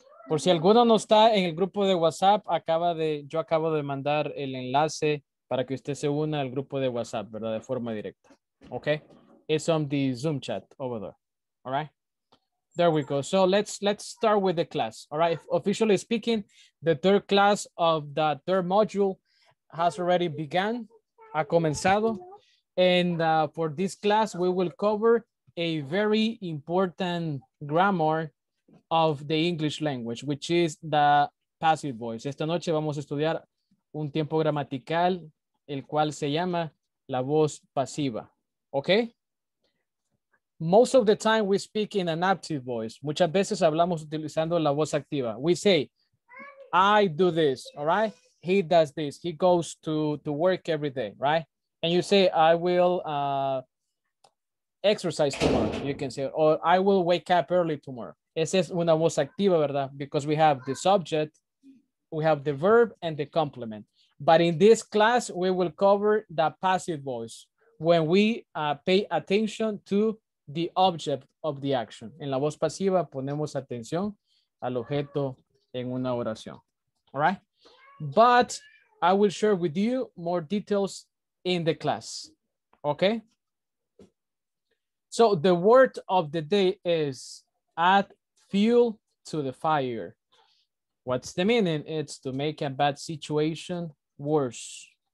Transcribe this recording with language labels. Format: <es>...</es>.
<es>Por si alguno no está en el grupo de WhatsApp, yo acabo de mandar el enlace para que usted se una al grupo de WhatsApp, ¿verdad? De forma directa.</es> <en>Okay, it's on the Zoom chat over there. All right. There we go. So let's start with the class. All right. Officially speaking, the third class of the third module has already begun.</en> <es>Ha comenzado.</es> <en>And for this class, we will cover a very important grammar of the English language, which is the passive voice.</en> <es>Esta noche vamos a estudiar un tiempo gramatical, el cual se llama la voz pasiva.</es> <en>Okay. Most of the time we speak in an active voice.</en> <es>Muchas veces hablamos utilizando la voz activa.</es> <en>We say, I do this, all right? He does this. He goes to work every day, right? And you say, I will exercise tomorrow, you can say, or I will wake up early tomorrow.</en> <es>Esa es una voz activa, ¿verdad?</es> <en>Because we have the subject, we have the verb and the complement. But in this class, we will cover the passive voice when we pay attention to the object of the action.</en> <es>En la voz pasiva ponemos atención al objeto en una oración.</es> <en>All right? But I will share with you more details in the class. Okay? So the word of the day is add fuel to the fire. What's the meaning? It's to make a bad situation worse.</en>